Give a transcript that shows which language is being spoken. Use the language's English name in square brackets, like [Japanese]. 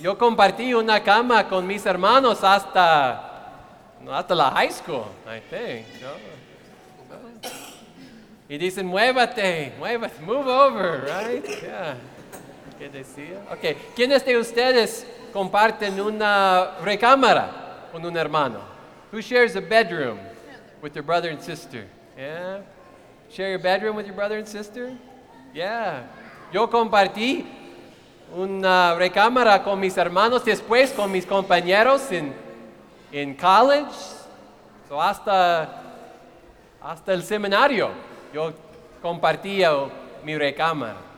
[Spanish] Yo compartí una cama con mis hermanos hasta la [English] high school, I think. [Spanish] No? Y dicen, muévate, [English] move over, right? Yeah. [Spanish] ¿Qué decía? [English] Okay. [Spanish] ¿Quiénes de ustedes comparten una recámara con un hermano? [English] Who shares a bedroom with your brother and sister? Yeah? Share your bedroom with your brother and sister? Yeah. [Spanish] Yo compartí una recámara con mis hermanos, después con mis compañeros [English] in college. [Spanish] So hasta el seminario, yo compartía mi recámara.